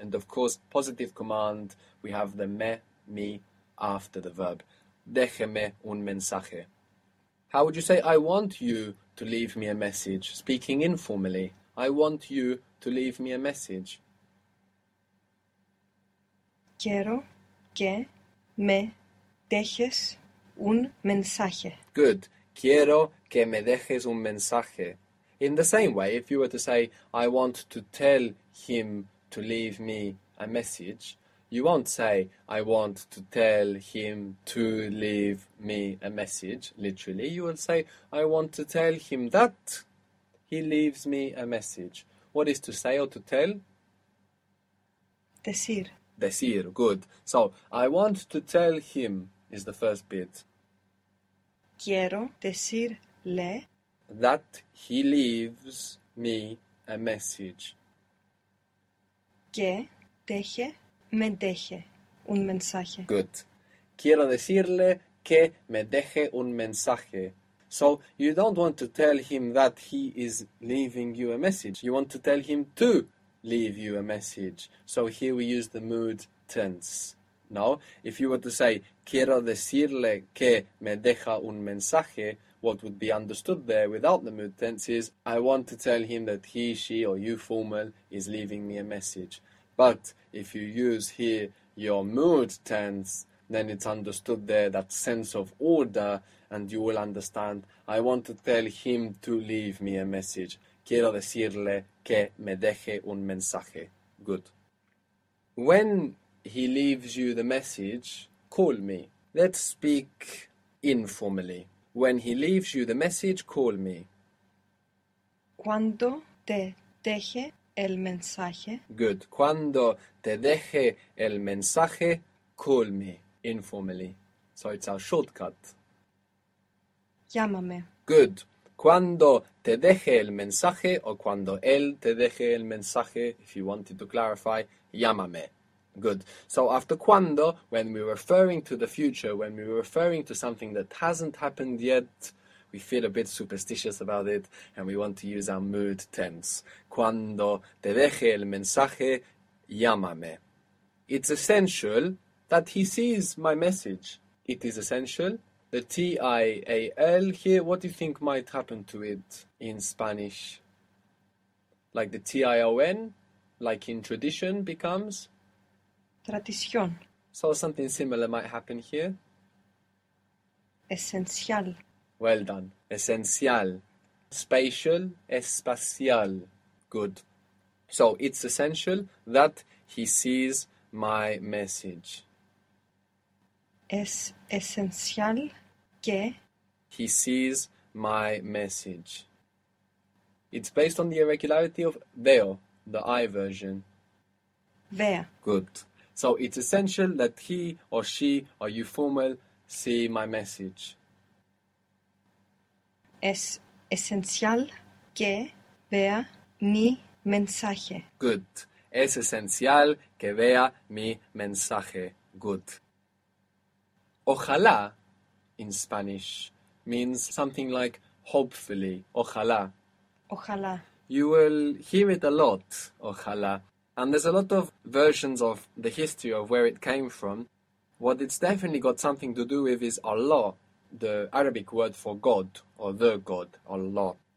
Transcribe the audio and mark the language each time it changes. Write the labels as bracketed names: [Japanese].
[English] And of course, positive command, we have the me after the verb. [Spanish] Déjeme un mensaje. [English] How would you say, I want you to leave me a message? Speaking informally, I want you to leave me a message. [Spanish] Quiero que me dejes un mensaje. [English] Good. [Spanish] Quiero que me dejes un mensaje. [English] In the same way, if you were to say, I want to tell him to leave me a message, you won't say, I want to tell him to leave me a message, literally. You will say, I want to tell him that he leaves me a message. What is to say or to tell? [Spanish] Decir. Decir, good. [English] So, I want to tell him is the first bit. [Spanish] Quiero decirle. [English] That he leaves me a message. [Spanish] Que deje, me deje un mensaje. [English] Good. [Spanish] Quiero decirle que me deje un mensaje. [English] So, you don't want to tell him that he is leaving you a message. You want to tell him to leave you a message. So, here we use the mood tense. No? If you were to say, [Spanish] quiero decirle que me deja un mensaje, [English] what would be understood there without the mood tense is, I want to tell him that he, she, or you formal is leaving me a message. But if you use here your mood tense, then it's understood there that sense of order, and you will understand, I want to tell him to leave me a message. [Spanish] Quiero decirle que me deje un mensaje. [English] Good. When he leaves you the message, call me. Let's speak informally. When he leaves you the message, call me. [Spanish] Cuando te deje el mensaje. [English] Good. [Spanish] Cuando te deje el mensaje, [English] call me. Informally. So it's our shortcut. [Spanish] Llámame. [English] Good. [Spanish] Cuando te deje el mensaje o cuando él te deje el mensaje, [English] if you wanted to clarify, [Spanish] llámame. [English] Good. So after cuando, when we're referring to the future, when we're referring to something that hasn't happened yet, we feel a bit superstitious about it and we want to use our mood tense. [Spanish] Cuando te deje el mensaje, llámame. [English] It's essential that he sees my message. It is essential. The T-I-A-L here, what do you think might happen to it in Spanish? Like the T-I-O-N, like in tradition, becomes? [Spanish] Tradición. [English] So something similar might happen here. [Spanish] Esencial. [English] Well done. Esencial. Spatial. Espacial. Good. So it's essential that he sees my message. [Spanish] Es esencial que. [English] He sees my message. It's based on the irregularity of veo, the I version. [Spanish] Vea. [English] Good. So it's essential that he or she or you formal see my message. [Spanish] Es esencial que vea mi mensaje. [English] Good. [Spanish] Es esencial que vea mi mensaje. [English] Good. Ojalá in Spanish means something like hopefully. [Spanish] Ojalá. Ojalá. [English] You will hear it a lot. Ojalá. And there's a lot of versions of the history of where it came from. What it's definitely got something to do with is Allah, the Arabic word for God, or the God, Allah.